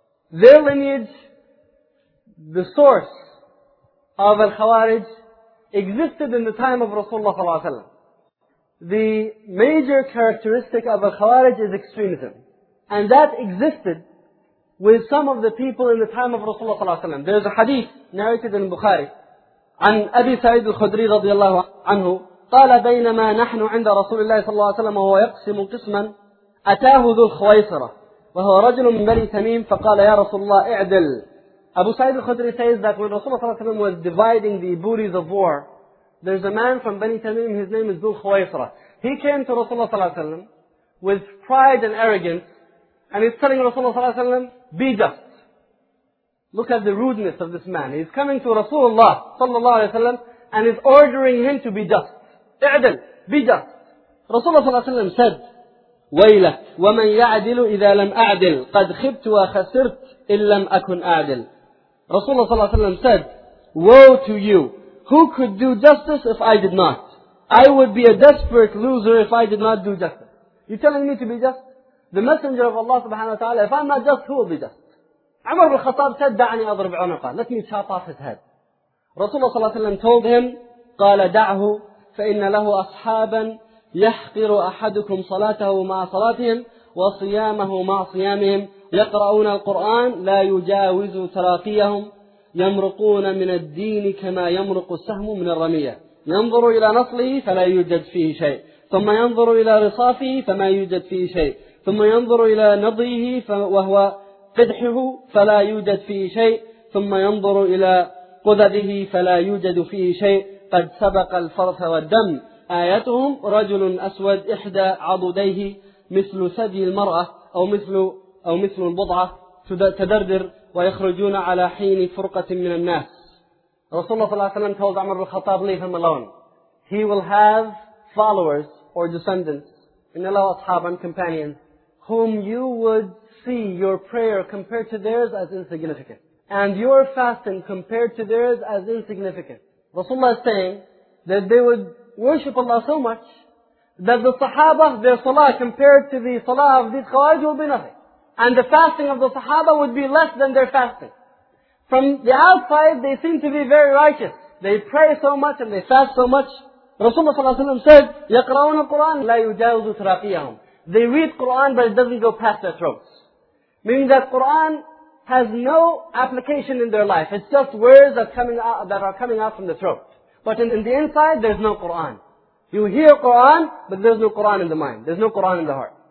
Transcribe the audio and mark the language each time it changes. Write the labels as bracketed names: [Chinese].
[English] Their lineage, the source of Al-Khawarij, existed in the time of Rasulullah sallallahu alaihi wasallam. the major characteristic of a Khawarij is extremism. And that existed with some of the people in the time of Rasulullah ﷺ. There's a hadith narrated in Bukhari. [Arabic] عن أبي سعيد الخدري رضي الله عنه قال بينما نحن عند رسول الله صلى الله عليه وسلم وهو يقسم قسما أتاه ذو الخويصرة وهو رجل من بني تميم فقال يا رسول الله اعدل. [English] أبو سعيد الخدري says that when Rasulullah صلى الله عليه وسلم was dividing the booties of war, there's a man from بني تميم, his name is ذو الخويصرة. He came to Rasulullah صلى الله عليه وسلم with pride and arrogance, and he's telling Rasulullah صلى الله عليه وسلم, be just. Look at the rudeness of this man. He's coming to Rasulullah sallallahu alayhi wa sallam and is ordering him to be just. I'dil, be just. Rasulullah sallallahu alayhi wa sallam said, [Arabic] وَيْلَ وَمَنْ يَعْدِلُ إِذَا لَمْ أَعْدِلْ قَدْ خِبْتُ وَخَسِرْتُ إِنْ لَمْ أَكُنْ أَعْدِلْ. [English] Rasulullah sallallahu alayhi wa sallam said, woe to you, who could do justice if I did not? I would be a desperate loser if I did not do justice. You're telling me to be just? The Messenger of Allah subhanahu wa ta'ala, if I'm not just, who will be just? Umar ibn al-Khattab said, [Arabic] دعني أضرب عنقه. [English] Let me chop off his head. Rasulullah صلى الله عليه وسلم told him, [Arabic] قال دعه فإن له أصحابا يحقر أحدكم صلاته مع صلاتهم وصيامه مع صيامهم يقرؤون القرآن لا يجاوز تراقيهم يمرقون من الدين كما يمرق السهم من الرمية ينظر إلى نصله فلا يوجد فيه شيء ثم ينظر إلى رصافه فما يوجد فيه شيء ثم ينظر إلى نضيه وهو قدحه فلا يوجد فيه شيء ثم ينظر إلى قذبه فلا يوجد فيه شيء قد سبق الفرث والدم آيتهم رجل أسود إحدى عضديه مثل ثدي المرأة أو مثل البضعة تدردر ويخرجون على حين فرقة من الناس. [English] رسول الله صلى الله عليه وسلم told عمر بن الخطاب leave him alone. He will have followers or descendants [Arabic] إن الله أصحابا [English] companions whom you would see your prayer compared to theirs as insignificant. And your fasting compared to theirs as insignificant. Rasulullah is saying that they would worship Allah so much that the Sahaba, their salah compared to the salah of these Khawarij will be nothing. And the fasting of the Sahaba would be less than their fasting. From the outside, they seem to be very righteous. They pray so much and they fast so much. Rasulullah said, [Arabic] يَقْرَوْنَ الْقُرْآنَ لَا يُجَاوْزُ تَرَاقِيَهُمْ. [English] They read Quran but it doesn't go past their throats. Meaning that Quran has no application in their life. It's just words that are coming out from the throat. But in the inside, there's no Quran. You hear Quran, but there's no Quran in the mind. There's no Quran in the heart.